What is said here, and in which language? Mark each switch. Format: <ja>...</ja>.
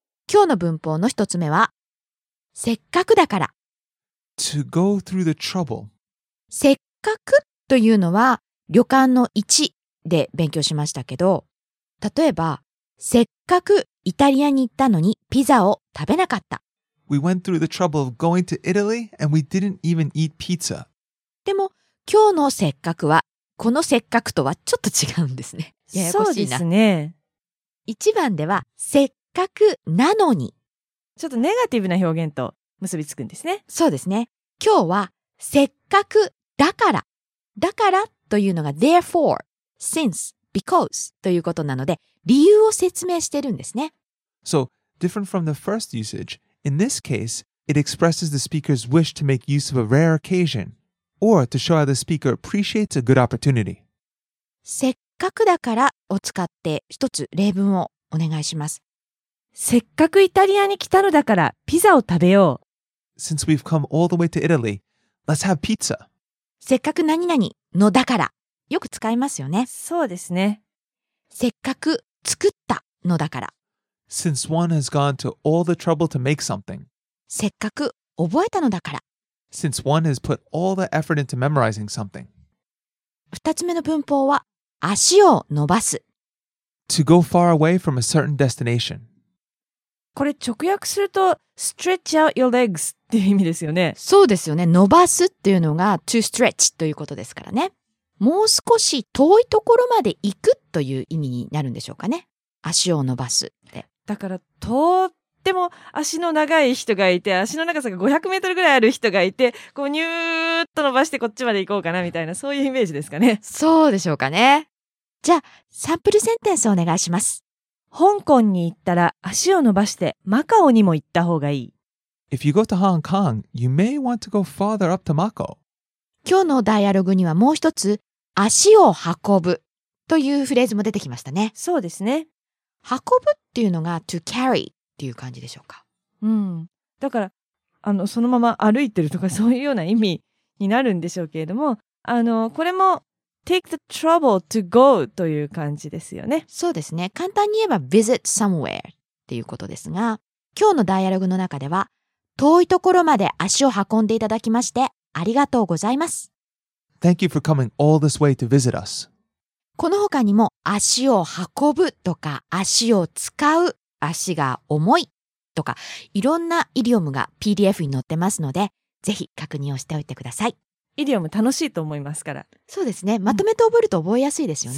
<ja>今日の文法の一つ目は、せっかくだから。</ja> <en>To go through the trouble.</en> <ja>せっかくというのは、旅館の一で勉強しましたけど、例えば、せっかくイタリアに行ったのにピザを食べなかった。</ja> <en>We went through the trouble of going to Italy and we didn't even eat pizza.</en> <ja>でも、今日のせっかくは、このせっかくとはちょっと違うんですね。ややこしいな。そうですね。一番では、せっかく。せっかくなのに。ちょっとネガティブな表現と結びつくんですね。そうですね。今日はせっかくだから。だからというのが</ja> <en>therefore, since, because</en> <ja>ということなので、理由を説明してるんですね。</ja> <en>So, different from the first usage, in this case, it expresses the speaker's wish to make use of a rare occasion or to show how the speaker appreciates a good opportunity.</en> <ja>せっかくだからを使って一つ例文をお願いします。せっかくイタリアに来たのだからピザを食べよう。</ja> <en>Since we've come all the way to Italy, let's have pizza.</en> <ja>せっかく何々のだから。よく使いますよね。そうですね。せっかく作ったのだから。</ja> <en>Since one has gone to all the trouble to make something.</en> <ja>せっかく覚えたのだから。</ja> <en>Since one has put all the effort into memorizing something.</en> <ja>二つ目の文法は、足を伸ばす。</ja> <en>To go far away from a certain destination.</en> <ja>これ直訳すると</ja> <en>stretch out your legs</en> <ja>っていう意味ですよね。そうですよね。伸ばすっていうのが</ja> <en>to stretch</en> <ja>ということですからね。もう少し遠いところまで行くという意味になるんでしょうかね。足を伸ばすって。だからとっても足の長い人がいて、足の長さが500メートルぐらいある人がいて、こうニューッと伸ばしてこっちまで行こうかなみたいな、そういうイメージですかね。そうでしょうかね。じゃあサンプルセンテンスお願いします。香港に行ったら足を伸ばしてマカオにも行った方がいい。</ja> <en>If you go to Hong Kong, you may want to go farther up to Macau.</en> <ja>今日のダイアログにはもう一つ、足を運ぶというフレーズも出てきましたね。そうですね。運ぶっていうのが</ja> <en>to carry</en> <ja>っていう感じでしょうか。うん。だから、あの、そのまま歩いてるとかそういうような意味になるんでしょうけれども、あの、これも、</ja> <en>Take the trouble to go</en> <ja>という感じですよね。そうですね。簡単に言えば</ja> <en>visit somewhere</en> <ja>っていうことですが、今日のダイアログの中では、遠いところまで足を運んでいただきましてありがとうございます。</ja> <en>Thank you for coming all this way to visit us.</en> <ja>この他にも足を運ぶとか足を使う、足が重いとか、いろんなイディオムが PDF に載ってますので、ぜひ確認をしておいてください。イディオム楽しいと思いますから。そうですね。まとめて覚えると覚えやすいですよね。</ja>